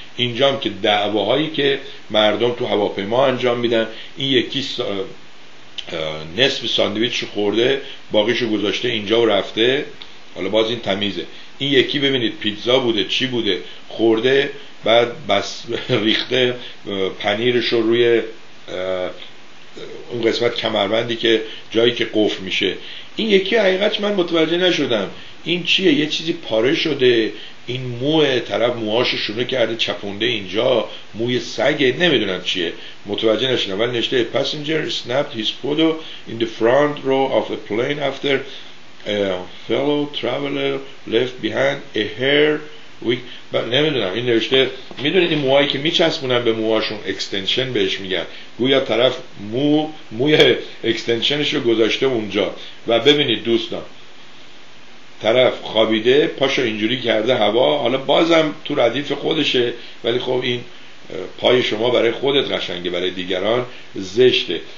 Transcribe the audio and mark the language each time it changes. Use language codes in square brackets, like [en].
[fa] اینجا هم که دعواهایی که مردم تو هواپیما انجام میدن، این یکی نصف ساندویچ خورده باقیشو گذاشته اینجا و رفته، حالا باز این تمیزه، این یکی ببینید پیتزا بوده چی بوده خورده، بعد بس ریخته پنیرش رو روی اون قسمت کمربندی که جایی که قفل میشه. این یکی حقیقتش من متوجه نشدم این چیه، یه چیزی پاره شده، این موه طرف موهاشو شونه کرده چپونده اینجا، موی سگه، نمیدونم چیه، متوجه نشدم. ولی نشته [en] passenger snapped his photo in the front row of a plane after a fellow traveler left behind a hair wig. [fa] نمیدونم این نوشته، میدونید این موهایی که میچسبونن به موهاشون اکستنشن بهش میگن، گویا طرف موی اکستنشنش رو گذاشته اونجا. و ببینید دوستان طرف خوابیده پاشو اینجوری کرده هوا، حالا بازم تو ردیف خودشه، ولی خب این پای شما برای خودت قشنگه، برای دیگران زشته.